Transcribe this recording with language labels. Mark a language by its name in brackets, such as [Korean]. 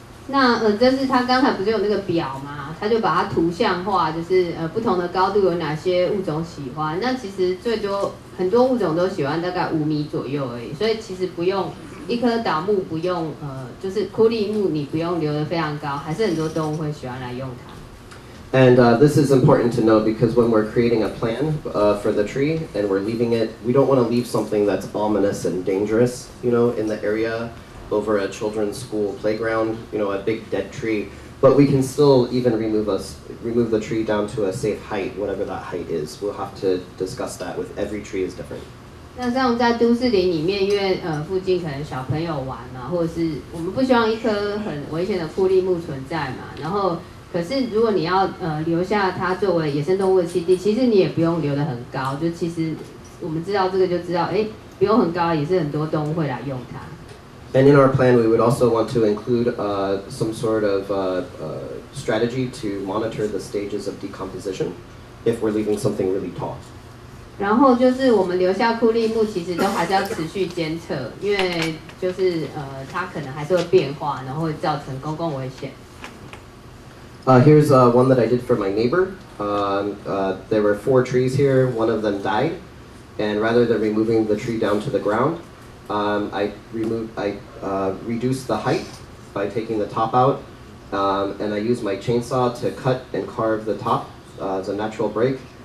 [Chinese] 那这是他刚才不是有那个表吗？他就把它图像化，就是不同的高度有哪些物种喜欢。那其实最多很多物种都喜欢大概5米左右而已。所以其实不用一棵倒木，不用就是枯立木，你不用留得非常高，还是很多动物会喜欢来用它。 [English] And this is important to know because when we're creating a plan for the tree and we're leaving it, we don't want to leave something that's ominous and dangerous, you know, in the area over a children's school playground, you know, a big dead tree. But we can still even remove the tree down to a safe height, whatever that height is. We'll have to discuss that with every tree is different. [Chinese] 那像在都市林里面，因为附近可能小朋友玩啊，或者是我们不希望一棵很危险的枯立木存在嘛。然后，可是如果你要留下它作为野生动物的栖地，其实你也不用留得很高。就其实我们知道这个就知道，哎，不用很高，也是很多动物会来用它。 [English] And in our plan, we would also want to include some sort of strategy to monitor the stages of decomposition if we're leaving something really tall. [Chinese] 然后就是我们留下枯立木，其实都还是要持续监测，因为就是它可能还是会变化，然后会造成公共危险。 [English] Here's one that I did for my neighbor. There were four trees here. One of them died, and rather than removing the tree down to the ground, I reduced the height by taking the top out, and I used my chainsaw to cut and carve the top as a natural break.